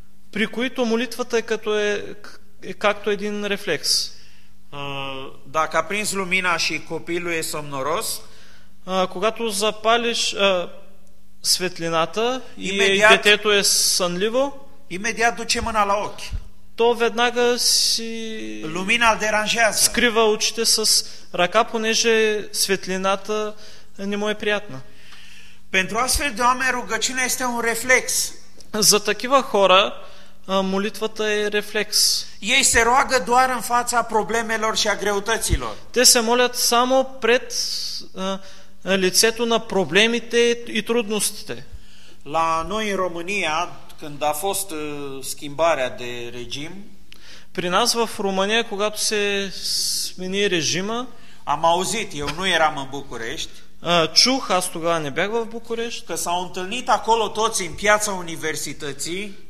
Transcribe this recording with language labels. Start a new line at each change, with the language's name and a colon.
Bulgarian: При които молитвата е като както един рефлекс.
Romanian: Dacă prins lumina și copilul e somnoros,
Bulgarian: когато запалиш светлината и детето е сънливо,
Romanian: imediat duce mâna la ochi.
Bulgarian: То веднага си
Romanian: lumina îl deranjează.
Bulgarian: Скрива очите с ръка, понеже светлината не му е приятна.
Romanian: Pentru astfel de oameni rugăciunea este un reflex.
Bulgarian: За такива хора молитвата е рефлекс.
Romanian: Ei se roagă doar în fața problemelor și a greutăților.
Bulgarian: Те се молят само пред лицето на проблемите и трудностите.
Romanian: La noi în România, când a fost schimbarea de regim,
Bulgarian: при нас в România, когато се смени режима,
Romanian: am auzit, eu nu eram în București,
Bulgarian: чух, аз тогава не бях в București,
Romanian: că s-au întâlnit acolo toți în piața universității,